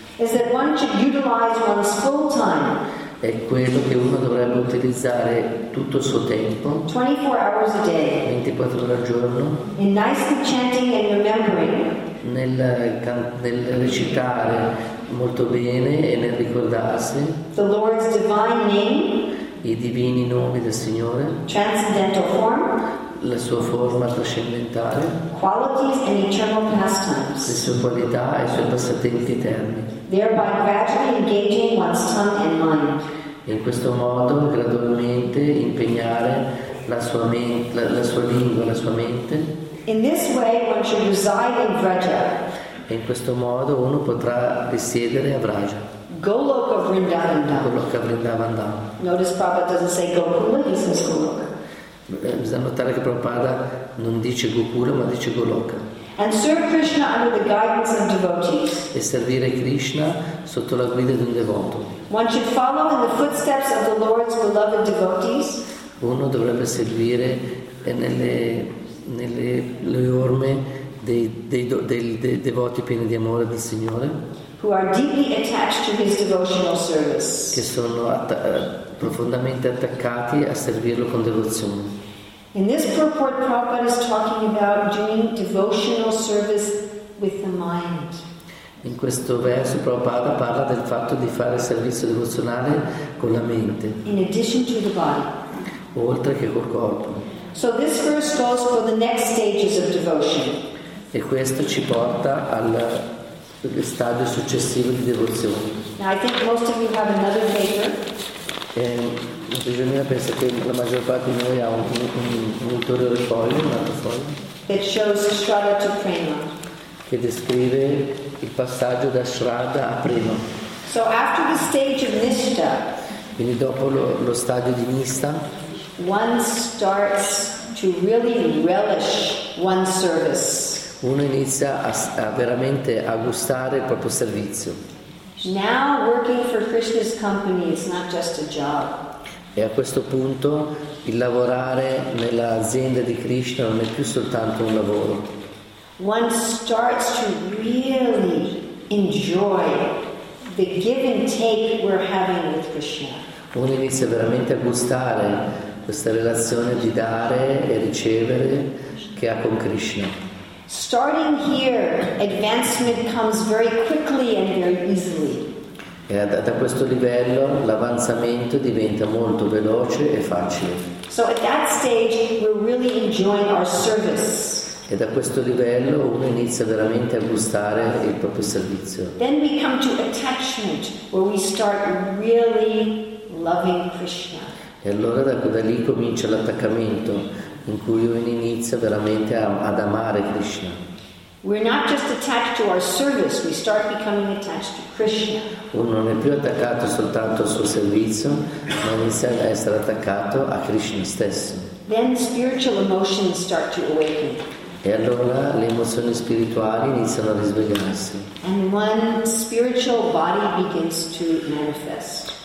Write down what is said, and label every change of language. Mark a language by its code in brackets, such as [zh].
[en] Is that one should utilize one's full time. [it] È quello che uno dovrebbe utilizzare tutto il suo tempo, [en] 24 hours a day, [it] 24 ore al giorno, [en] in nicely chanting and remembering, [it] nel recitare molto bene e nel ricordarsi [en] the Lord's divine name, [it] i divini nomi del Signore, [en] transcendental form, [it] la sua forma trascendentale, [en] qualities and eternal pastimes, [it] le sue qualità e i suoi passatempi eterni. [en] Thereby gradually engaging one's tongue and mind. [it] In questo modo gradualmente impegnare la sua mente, la sua lingua, la sua mente. [en] In this way one should reside in vraja. [it] e in questo modo uno potrà risiedere a Vraja. [en] Goloka Vrindavan Dham. [it] Goloka Vrindavan Dham. [en] Notice Prabhupada doesn't say Gokula, he says Goloka. [it] Bisogna notare che Prabhupada non dice Gokula, ma dice Goloka. [en] And serve Krishna under the guidance of devotees. [it] E servire Krishna sotto la guida di un devoto. [en] One should follow in the footsteps of the Lord's beloved devotees. [it] Uno dovrebbe servire nelle orme dei devoti pieni di amore del Signore. [en] Who are deeply attached to his devotional service. [it] Che sono profondamente attaccati a servirlo con devozione. [en] In this purport, Prabhupada is talking about doing devotional service with the mind. [it] In questo verso, Prabhupada parla del fatto di fare servizio devozionale con la mente. [en] In addition to the body. [it] Oltre che col corpo. [en] So this verse goes for the next stages of devotion. [it] E questo ci porta al stadio successivo di devozione. [en] Now I think most of you have another paper. [it] La prigioniera pensa che la maggior parte di noi ha un ulteriore foglio, un altro foglio. [en] That shows Shraddha to Prema. [it] Che descrive il passaggio da Shraddha a Prema. [en] So after the stage of Nishta. [it] Quindi dopo lo stadio di Nishta. [en] One starts to really relish one's service. [it] Uno inizia a veramente a gustare il proprio servizio. [en] Now working for Krishna's company is not just a job. [it] E a questo punto il lavorare nell'azienda di Krishna non è più soltanto un lavoro. [en] One starts to really enjoy the give and take we're having with Krishna. [it] Uno inizia veramente a gustare questa relazione di dare e ricevere che ha con Krishna. [en] Starting here, advancement comes very quickly and very easily. [it] E da questo livello l'avanzamento diventa molto veloce e facile. [en] So at that stage, we're really enjoying our service. [it] E da questo livello uno inizia veramente a gustare il proprio servizio. [en] Then we come to attachment, where we start really loving Krishna. [it] E allora da lì comincia l'attaccamento in cui uno inizia veramente ad amare Krishna. [en] We're not just attached to our service, we start becoming attached to Krishna. [it] Uno non è più attaccato soltanto al suo servizio, ma inizia ad essere attaccato a Krishna stesso. [en] Then spiritual emotions start to awaken. [it] E allora le emozioni spirituali iniziano a risvegliarsi. [en] And one spiritual body begins to manifest.